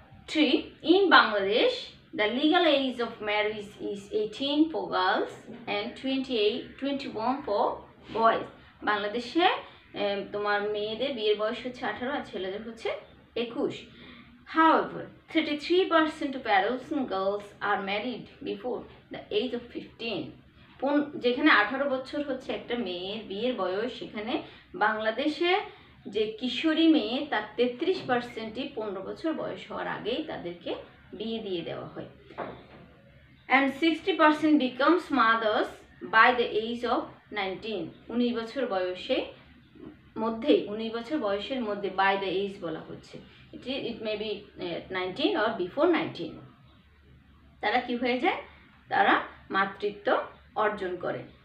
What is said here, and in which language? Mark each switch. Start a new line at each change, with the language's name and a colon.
English: Three, in Bangladesh the legal age of marriage is 18 for girls and 21 for boys.
Bangla: বাংলাদেশে তোমার মেয়েদের বিয়ের বয়স হচ্ছে 18 আর ছেলেদের হচ্ছে 21।
English: However, 33% of adolescent girls are married before the age of 15.
Bangla: যেখানে 18 বছর হচ্ছে একটা মেয়ের বিয়ের বয়স, সেখানে বাংলাদেশে যে কিশোরী মেয়ে তার 33%ই 15 বছর বয়স হওয়ার আগেই তাদেরকে বিয়ে দিয়ে দেওয়া হয়।
English: And 60% becomes mothers by the age of 19.
Bangla: 19 বছর বয়সে মধ্যেই 19 বছর বয়সের মধ্যে
English: by the age
Bangla: বলা হচ্ছে,
English: it may be 19 or before 19,
Bangla: তারা কি হয়ে যায় তারা মাতৃত্ব অর্জন করে।